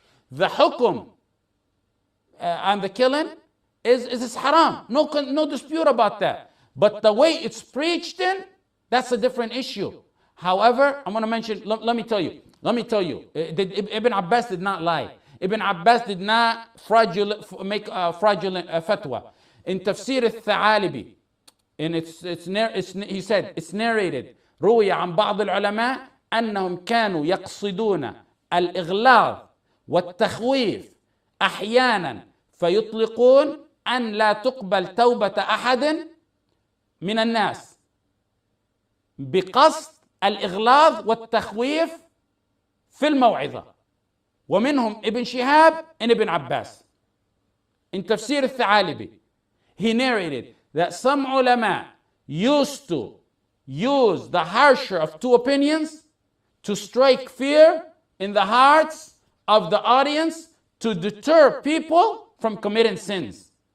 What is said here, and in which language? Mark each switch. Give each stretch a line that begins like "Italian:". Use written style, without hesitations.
English: The hukum on the killing is haram. No dispute about that. But the way it's preached in, that's a different issue. However, I'm going to mention, let me tell you, Ibn Abbas did not lie. Ibn Abbas did not make a fraudulent fatwa. In Tafsir al-Tha'alibi, he said, it's narrated,
Arabic: رُوِيَ عَنْ بَعْضِ الْعُلَمَاءِ أنهم كانوا يقصدون الإغلاظ والتخويف أحيانا فيطلقون أن لا تقبل توبة أحد من الناس بقصد الإغلاظ والتخويف في الموعظة ومنهم ابن شهاب and ابن عباس.
English: In تفسير الثعالبي, he narrated that some ulama used to use the harsher of two opinions to strike fear in the hearts of the audience to deter people from committing sins.